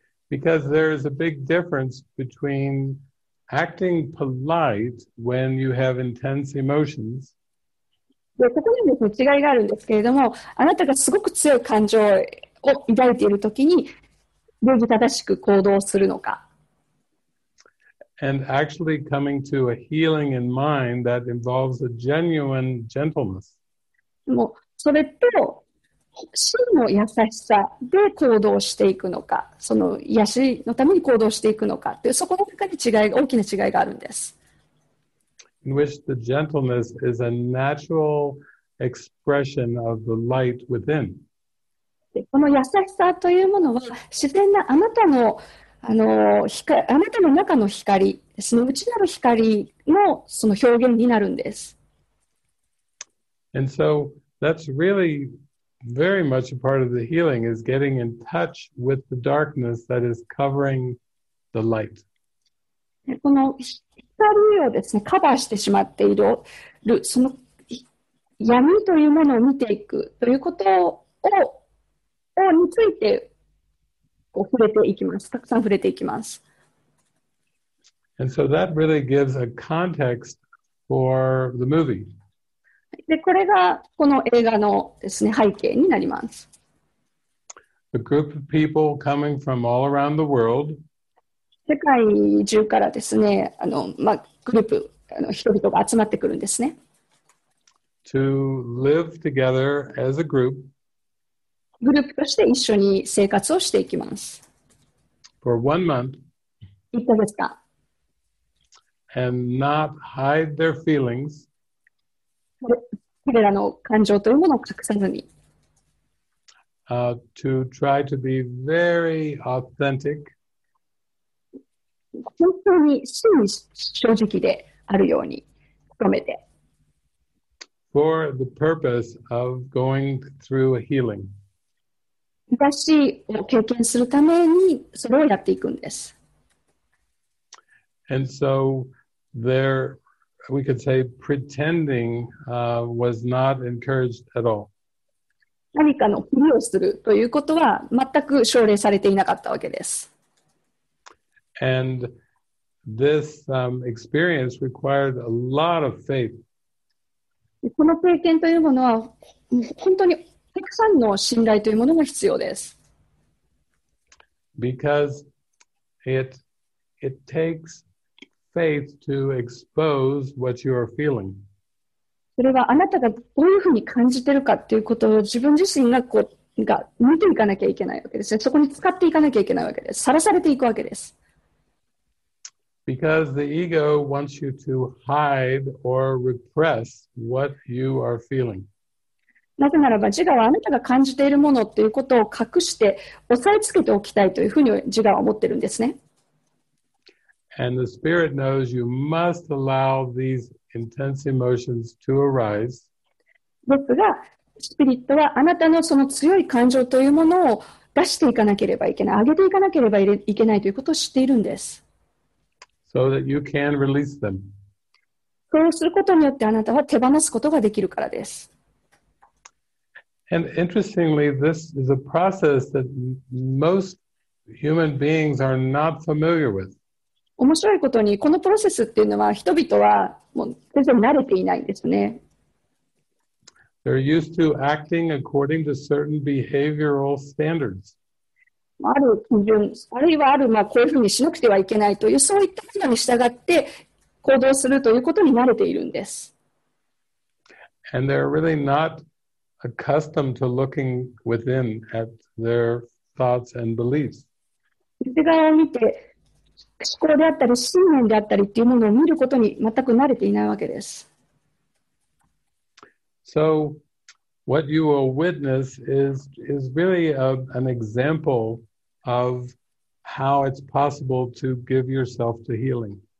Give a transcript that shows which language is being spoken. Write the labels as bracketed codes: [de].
[en] Because there is a big difference between acting polite when you have intense emotions. [ja] で、ここにですね、違いがあるんですけれども、あなたがすごく強い感情を抱いているときに、礼儀正しく行動するのか。 [en] And actually coming to a healing in mind that involves a genuine gentleness. [ja] もうそれと真の優しさで行動していくのか、その癒しのために行動していくのかという、そこの中に違い、大きな違いがあるんです。 [en] In which the gentleness is a natural expression of the light within. [ja] で、この優しさというものは自然なあなたのあなたの中の光、その内なる光のその表現になるんです。 [en] And so that's really very much a part of the healing is getting in touch with the darkness that is covering the light. [ja] この光をですね、カバーしてしまっている、その闇というものを見ていくということをについて、触れていきます。たくさん触れていきます。 [en] And so that really gives a context for the movie. [ja] で、これがこの映画のですね、背景になります。 [en] A group of people coming from all around the world. [ja] 世界中からですね、まあ、グループ、人々が集まってくるんですね。 [en] To live together as a group. [ja] グループとして一緒に生活をしていきます。 [en] For one month. [ja] 1ヶ月間。 [en] And not hide their feelings. [ja] 彼らの感情というものを隠さずに。 [en] To try to be very authentic. [ja] 本当に真に正直であるように努めて。 [en] For the purpose of going through a healing. [ja] 癒しを経験するためにそれをやっていくんです。 [en] And so there, we could say pretending, was not encouraged at all. [ja] 何かのふりをするということは全く奨励されていなかったわけです。 [en] And this, experience required a lot of faith. [ja] この経験というものは本当にたくさんの信頼というものが必要です。 [en] Because it takes faith to expose what you are feeling. [ja] それはあなたがどういうふうに感じているかということを自分自身がこうが見ていかなきゃいけないわけですね。そこに使っていかなきゃいけないわけです。晒されていくわけです。 [en] Because the ego wants you to hide or repress what you are feeling. [ja] なぜならば自我はあなたが感じているものということを隠して押さえつけておきたいというふうに自我は思っているんですね。 [en] And the spirit knows you must allow these intense emotions to arise. [ja] ですが、スピリットはあなたのその強い感情というものを出していかなければいけない、上げていかなければいけないということを知っているんです。 [en] So that you can release them. [ja] そうすることによってあなたは手放すことができるからです。 [en] And interestingly, this is a process that most human beings are not familiar with. [ja] 面白いことに、このプロセスっていうのは人々はもう全然慣れていないんですね。 [en] They're used to acting according to certain behavioral standards. [ja] ある基準、あるいはある、まあ、こういうふうにしなくてはいけないという、そういったものに従って行動するということに慣れているんです。 [en] And they're really not accustomed to looking within at their thoughts and beliefs. [ja] 内側を見て、思考であったり、信念であったりっていうものを見ることに全く慣れていないわけです。 [en] So, what you will witness is really an example of how it's possible to give yourself to healing.